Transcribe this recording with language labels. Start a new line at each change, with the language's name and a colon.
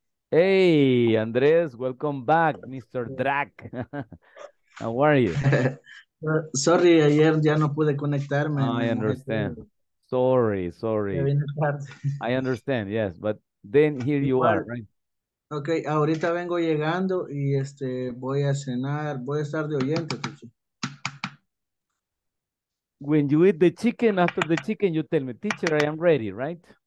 English: Hey, Andres, welcome back, Mr. Drac. How are you?
Spanish: Sorry, ayer ya no pude conectarme.
English: I understand. Sorry. I understand, yes, but then here you are, right?
Spanish: Okay, ahorita vengo llegando y voy a cenar, voy a estar de oyente.
English: When you eat the chicken, after the chicken, you tell me, teacher, I am ready, right?